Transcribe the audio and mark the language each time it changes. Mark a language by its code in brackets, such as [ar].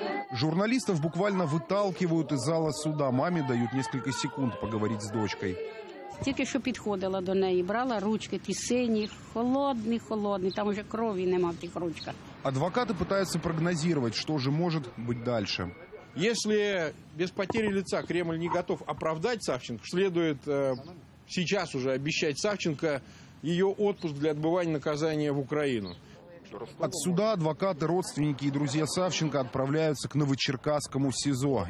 [ru] Журналистов буквально выталкивают из зала суда. Маме дают несколько секунд поговорить с дочкой. [uk] Тільки що підходила до неї, брала ручки, ті сині, холодний, холодний, там уже крові нема в тих ручках. Адвокати [ru] пытаются прогнозировать, что же может быть дальше. Если без потери лица Кремль не готов оправдать Савченко, следует сейчас уже обещать Савченко ее отпуск для отбывания наказания в Украину. От суда адвокаты, родственники и друзья Савченко отправляются к Новочеркасскому СИЗО.